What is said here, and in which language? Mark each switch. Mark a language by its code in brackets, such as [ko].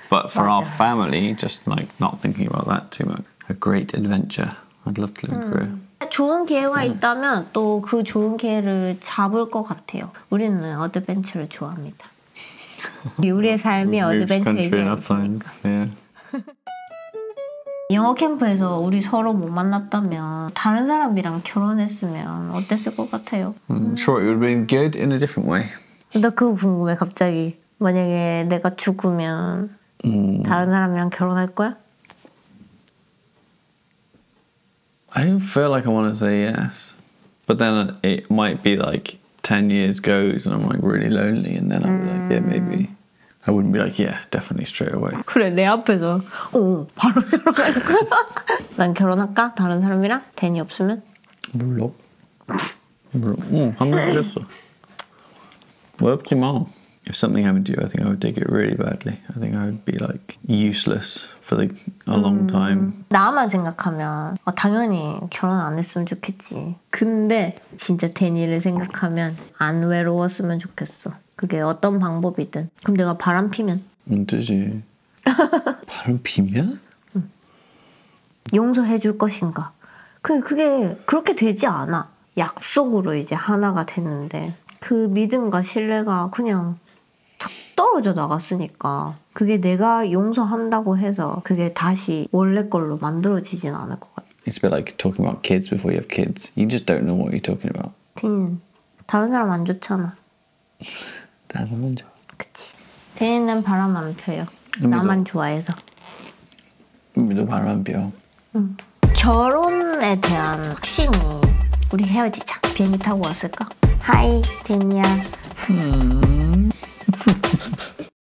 [en] But for [ko] 맞아. [en] our family, just like not thinking about that too much. A great adventure. I'd love to live through. [ko] 좋은 기회가 있다면 또 그 좋은 기회를 잡을 것 같아요. 우리는 어드벤처를 좋아합니다. 우리의 삶이 어드벤처이지 않습니까? 영어 캠프에서 우리 서로 못 만났다면 다른 사람이랑 결혼했으면 어땠을 것 같아요? [en] Sure, it would have been good in a different way. [ko] 나 그거 궁금해, 갑자기. 만약에 내가 죽으면 다른 사람이랑 결혼할 거야? [en] I don't feel like I want to say yes. But then it might be like 10 years goes and I'm like really lonely and then I'll be like, yeah, maybe. I wouldn't be like, yeah, definitely straight away. [ko] 그래, 내 앞에서 오, 바로 결혼할 거야. 난 결혼할까? 다른 사람이랑? 대니 없으면? 몰라. 몰라. 응, 한 명 그랬어. 왜 없지 마. [en] If something happened to you, I think I would take it really badly. I think I would be like useless for like a long time. [ko] 나만 생각하면 당연히 결혼 안 했으면 좋겠지. 근데 진짜 데니를 생각하면 안 외로웠으면 좋겠어. 그게 어떤 방법이든. 그럼 내가 바람 피면? 안 되지. 바람 피면? 용서해 줄 것인가? 그게 그렇게 되지 않아. 약속으로 이제 하나가 됐는데 그 믿음과 신뢰가 그냥 툭 떨어져 나갔으니까 그게 내가 용서한다고 해서 그게 다시 원래 걸로 만들어지진 않을 것 같아. [en] It's a bit like talking about kids before you have kids. You just don't know what you're talking about. [ko] 대니는 다른 사람 안 좋잖아. 나만 좋아. 그치. 대니는 바람 안 펴요. 나만 좋아해서. 우리도 바람 안 펴. 결혼에 대한 확신이 우리 헤어지자. 비행기 타고 왔을까? 하이 대니야.